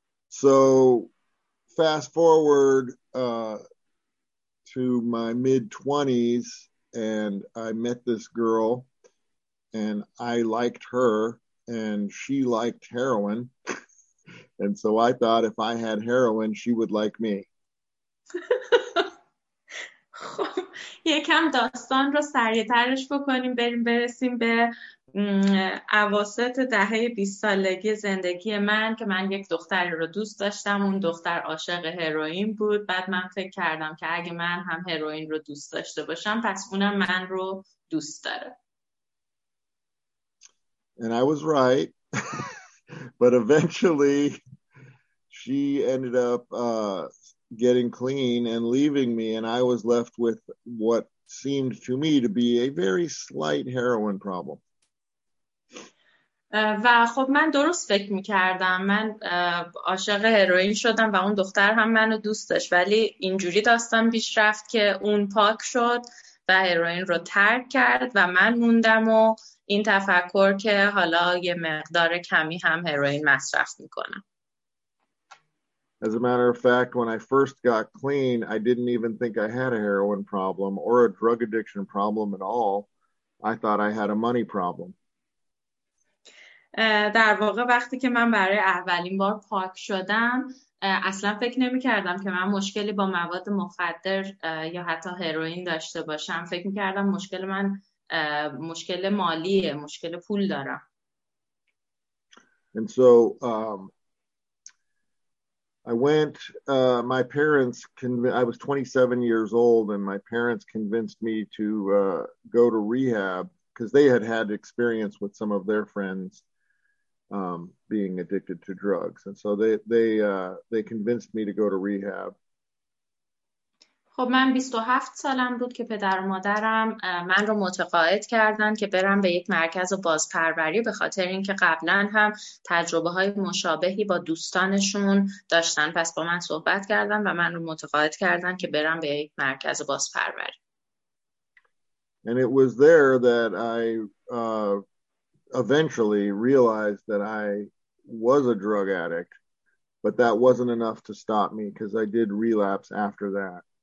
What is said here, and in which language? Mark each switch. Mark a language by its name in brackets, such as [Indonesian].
[English] So fast forward to my mid-20s and I met this girl and I liked her and she liked heroin. And so I thought if I had heroin, she would like me. [Persian] یکم داستان رو سریع‌ترش بکنیم، بریم برسیم به اواسط دهه 20 سالگی زندگی من که من یک دختر رو دوست داشتم، اون دختر عاشق هروئین بود. بعد من فکر کردم که اگه من هم هروئین رو دوست داشته باشم، پس اونم من رو دوست داره. [English] And I was right. But eventually she ended up getting clean and leaving me, and I was left with what seemed to me to be a very slight heroin problem. [Persian] و خب من درست فکر میکردم، من عاشق هروئین شدم و اون دختر هم منو دوست داشت، ولی اینجوری داستان پیش رفت که اون پاک شد و هروئین رو ترک کرد و من موندم و این تفکر که حالا یه مقدار کمی هم هروئین مصرف میکنم. [English] As a matter of fact, when I first got clean, I didn't even think I had a heroin problem or a drug addiction problem at all. I thought I had a money problem. [Persian] در واقع وقتی که من برای اولین بار پاک شدم، اصلا فکر نمی کردم که من مشکلی با مواد مخدر یا حتی هروئین داشته باشم. فکر می کردم مشکل من مشکل مالیه، مشکل پول دارم. [English] And so I went, my parents, I was 27 years old, and my parents convinced me to go to rehab because they had had experience with some of their friends being addicted to drugs. And so they convinced me to go to rehab. [Persian] خب من 27 سالم بود که پدر و مادرم من رو متقاعد کردن که برم به یک مرکز بازپروری به خاطر اینکه قبلا هم تجربه های مشابهی با دوستانشون داشتن. پس با من صحبت کردن و من رو متقاعد کردن که برم به یک مرکز بازپروری. [English] And it was there that I eventually realized that I was a drug addict, but that wasn't enough to stop me because I did relapse after that.